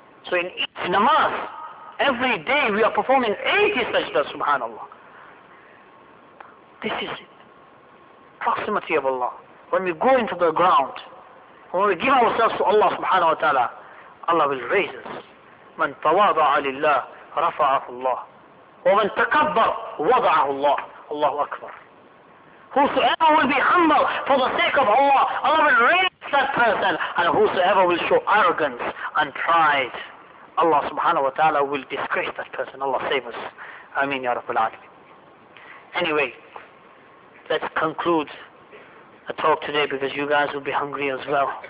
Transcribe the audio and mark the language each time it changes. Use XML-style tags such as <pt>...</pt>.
<en>So in each namaz, every day we are performing 80 sajdas, subhanAllah. This is it. Proximity of Allah. When we go into the ground, when we give ourselves to Allah subhanahu wa ta'ala, Allah will raise us.</en> <ar>من تواضع لله رفعه الله ومن تكبر وضعه الله.</ar> <en>Allahu Akbar. Whosoever will be humble for the sake of Allah, Allah will raise that person. And whosoever will show arrogance and pride, Allah subhanahu wa ta'ala will disgrace that person. Allah save us. Ameen ya Rabbul Alameen. Anyway, let's conclude the talk today because you guys will be hungry as well.</en>